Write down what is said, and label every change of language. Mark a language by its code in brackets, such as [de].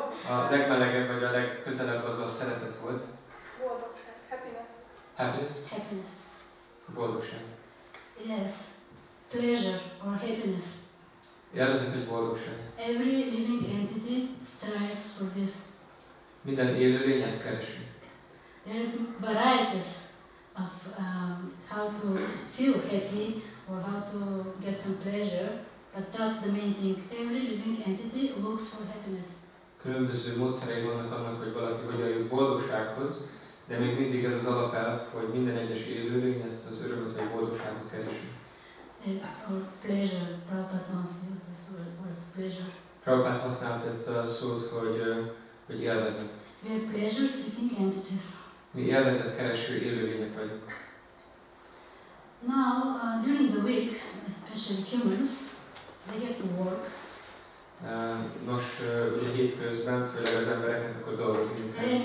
[hu] A legmelegebb, vagy a legközelebb az a szeretet volt. Boldogság. [en] Happiness. Happiness? Happiness. [hu] Boldogság. [en] Yes. Pleasure or happiness. [hu] Jelezett, hogy boldogság. [en] Every living entity strives for this. [hu] Minden élőlényhez keresünk. [en] There is varieties of how to feel happy or how to get some pleasure, but that's the main thing. Every living entity looks for happiness. [hu] Különböző módszerei vannak annak, hogy valaki hogyan jön boldogsághoz, de még mindig ez az alapelv, hogy minden egyes élőlény ezt az örömet vagy boldogságot keresi. [en] Or pleasure, Prabhupada once used this word pleasure. [hu] Prabhupada használta ezt a szót, hogy, hogy élvezet. [en] We are pleasure-seeking entities. [hu] Mi élvezet kereső élőlények vagyunk. [en] Now, during the week, especially humans, they have to work. [hu] Nos, ugye hétközben, főleg az embereknek, akkor dolgozni kell.